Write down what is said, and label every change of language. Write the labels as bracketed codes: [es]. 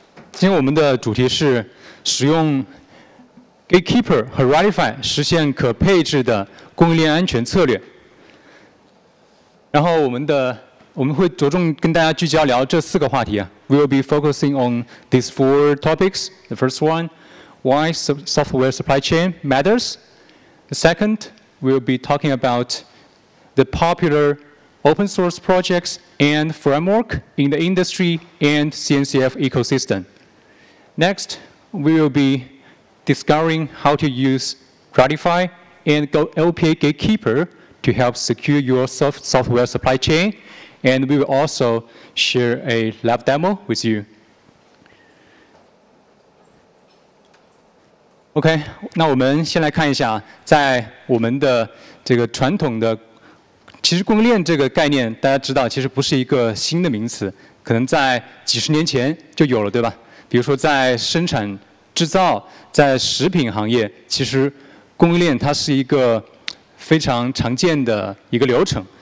[zh] 今天我们的主题是使用Gatekeeper 和 Ratify 实现可配置的供应链安全策略。然后我们会着重跟大家聚焦聊这四个话题啊。 [en] We will be focusing on these four topics. The first one, why software supply chain matters. The second, we'll be talking about the popular open source projects and framework in the industry and CNCF ecosystem. Next, we will be discovering how to use Ratify and LPA Gatekeeper to help secure your software supply chain. And we will also share a lab demo with you. [zh] OK, 那我们先来看一下，在我们的这个传统的，其实供应链这个概念大家知道其实不是一个新的名词，可能在几十年前就有了，对吧？比如说在生产制造，在食品行业，其实供应链它是一个非常常见的一个流程。